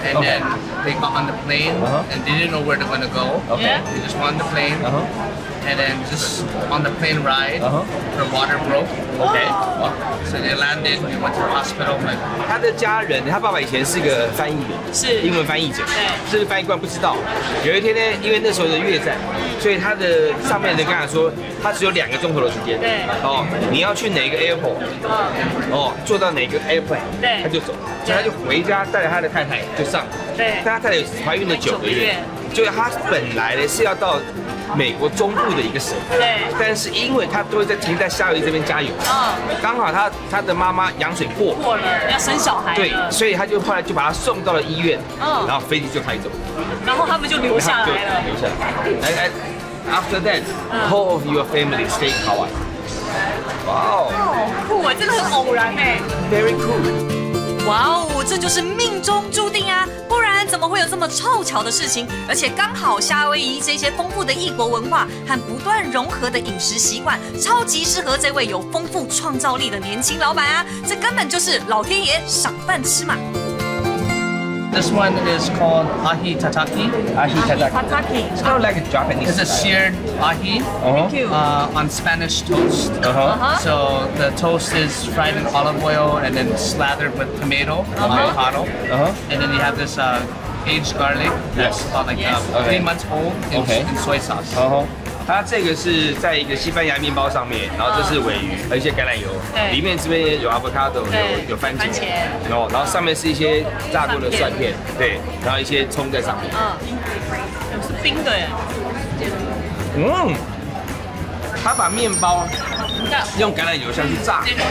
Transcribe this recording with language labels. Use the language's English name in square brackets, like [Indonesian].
[English] And then they got on the plane and they didn't know where they were going to go. Okay. Yeah. They just got on the plane. Uh-huh. And then just on the plane ride, her water broke. Okay. So they landed, we went to the hospital. [Chinese] 他的家人，他爸爸以前是个翻译员，是英文翻译者。对。这个翻译官不知道，有一天呢，因为那时候的越战，所以他的上面的跟他说，他只有2个钟头的时间。对。哦，你要去哪个 airport？ 哦，坐到哪个 airplane？对。他就走，所以他就回家带着他的太太就上。对。但他太太怀孕了9个月，就是他本来呢是要到美国中部的一个省，对，但是因为他都会在停在夏威夷这边加油，嗯，刚好他的妈妈羊水过了，要生小孩了，对，所以他就后来就把他送到了医院，嗯，然后飞机就开走，然后他们就留下来了，留下来，来， [English] After that, whole of your family stay in Hawaii. Wow, [Chinese] 酷啊，真的很偶然哎 [English] ，Very cool. [Chinese] 哇哦，这就是命中注定啊，不然怎么会有这么凑巧的事情？而且刚好夏威夷这些丰富的异国文化和不断融合的饮食习惯，超级适合这位有丰富创造力的年轻老板啊！这根本就是老天爷赏饭吃嘛。 [English] This one is called ahi tataki. Ahi tataki. It's kind of like a Japanese. It's a seared ahi. Thank you. On Spanish toast. Uh-huh. So the toast is fried in olive oil and then slathered with tomato, avocado. Uh-huh. And then you have this aged garlic that's about three months old in, in soy sauce. Uh-huh. [Chinese] 它这个是在一个西班牙面包上面，然后这是鲔鱼，还有一些橄榄油，里面这边有 avocado， 有番茄，然后上面是一些炸过的蒜片，对，然后一些葱在上面。嗯，是冰的耶。嗯，他把面包用橄榄油下去炸，